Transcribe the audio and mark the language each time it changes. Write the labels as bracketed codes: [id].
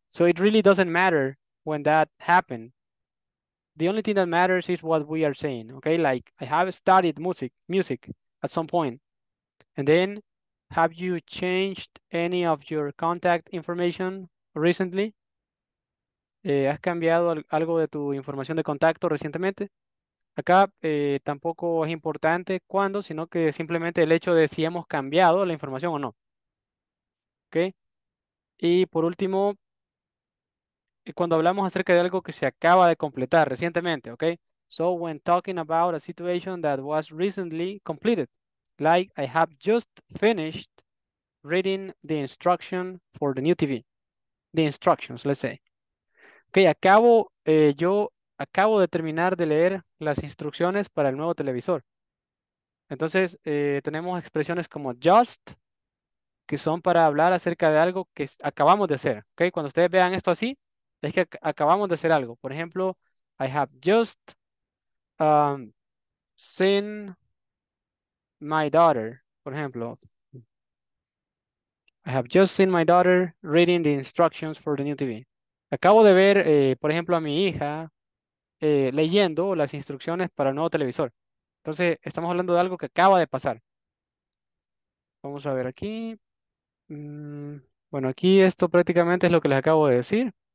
[en] So it really doesn't matter when that happened. The only thing that matters is what we are saying, okay? Like, I have studied music at some point. And then, have you changed any of your contact information recently? [es] ¿Has cambiado algo de tu información de contacto recientemente? Acá tampoco es importante cuándo, sino que simplemente el hecho de si hemos cambiado la información o no. Okay? Y por último, cuando hablamos acerca de algo que se acaba de completar recientemente, ¿ok? [en] So, when talking about a situation that was recently completed, like I have just finished reading the instruction for the new TV. The instructions, let's say. [es] Ok, yo acabo de terminar de leer las instrucciones para el nuevo televisor. Entonces, tenemos expresiones como just, que son para hablar acerca de algo que acabamos de hacer, ¿ok? Cuando ustedes vean esto así, es que ac acabamos de hacer algo. Por ejemplo, [en] I have just seen my daughter. [es] Por ejemplo, [en] have just seen my daughter reading the instructions for the new TV. [es] Acabo de ver, por ejemplo, a mi hija leyendo las instrucciones para el nuevo televisor. Entonces, estamos hablando de algo que acaba de pasar. Vamos a ver aquí. Bueno, aquí esto prácticamente es lo que les acabo de decir.